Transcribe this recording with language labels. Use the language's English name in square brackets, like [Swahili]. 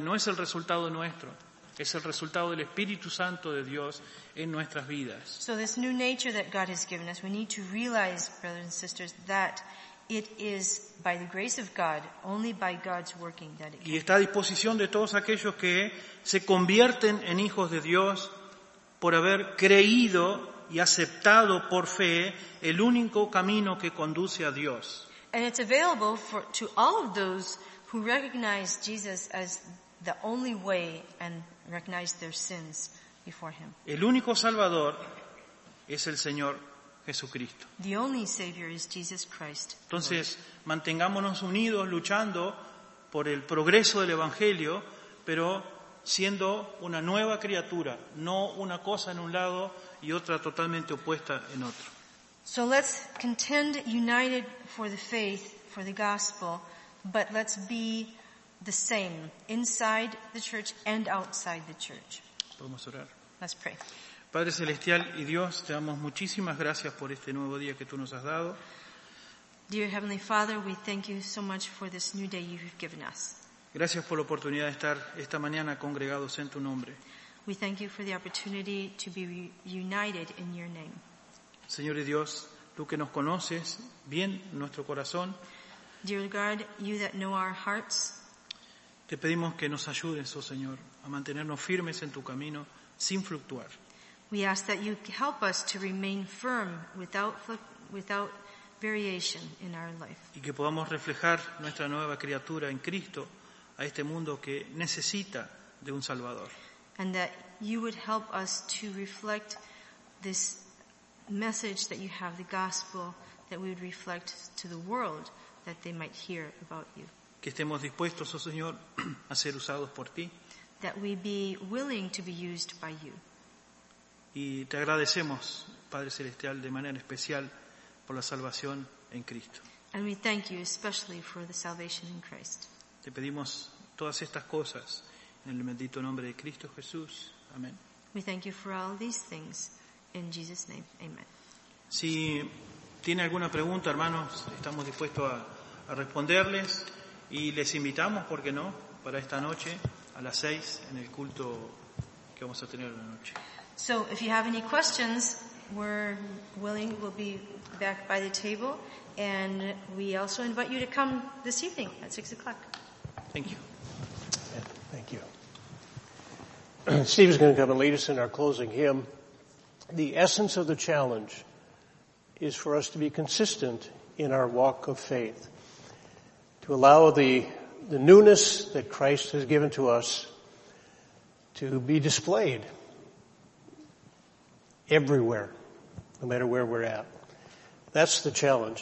[Spanish] No es el resultado nuestro, es el resultado del Espíritu Santo de Dios en nuestras vidas. [English] So this new nature that God has given us, we need to realize, brothers and sisters, that it is by the grace of God, only by God's working that it can. [Spanish] Y está a disposición de todos aquellos que se convierten en hijos de Dios por haber creído y aceptado por fe el único camino que conduce a Dios. [English] And it's available to all of those who recognize Jesus as the only way and recognize their sins before him. [Spanish] El único salvador es el Señor Jesucristo. [English] The only savior is Jesus Christ. [Spanish] Entonces, mantengámonos unidos luchando por el progreso del evangelio, pero siendo una nueva criatura, no una cosa en un lado y otra totalmente opuesta en otro. [English] So let's contend united for the faith, for the gospel, but let's be the same inside the church and outside the church. [Spanish] Podemos orar. [English] Let's pray. [Spanish] Padre celestial y Dios, te damos muchísimas gracias por este nuevo día que tú nos has dado. [English] Dear Heavenly Father, we thank you so much for this new day you've given us. [Spanish] Gracias por la oportunidad de estar esta mañana congregados en tu nombre. [English] We thank you for the opportunity to be united in your name. [Spanish] Señor y Dios, tú que nos conoces bien nuestro corazón. [English] Dear God, you that know our hearts. [Spanish] Te pedimos que nos ayudes, oh Señor, a mantenernos firmes en tu camino sin fluctuar. [English] We ask that you help us to remain firm without variation in our life. [Spanish] Y que podamos reflejar nuestra nueva criatura en Cristo a este mundo que necesita de un Salvador. [English] And that you would help us to reflect this message that you have, the gospel, that we would reflect to the world, that they might hear about you. [Spanish] Que estemos dispuestos, oh Señor, a ser usados por ti. [English] That we be willing to be used by you. [Spanish] Y te agradecemos, Padre Celestial, de manera especial por la salvación en Cristo. [English] And we thank you especially for the salvation in Christ. [Spanish] Te pedimos todas estas cosas en el bendito nombre de Cristo Jesús. Amén. [English] We thank you for all these things in Jesus' name. Amen. [Spanish] Si tiene alguna pregunta, hermanos, estamos dispuestos a responderles y les invitamos, ¿por qué no?, para esta noche a las 6 en el culto que vamos a tener la noche. [English] So, if you have any questions, we're willing, we'll be back by the table, and we also invite you to come this evening at 6 o'clock. Thank you. Thank you. Steve is going to come and lead us in our closing hymn. The essence of the challenge is for us to be consistent in our walk of faith, to allow the newness that Christ has given to us to be displayed everywhere, no matter where we're at. That's the challenge.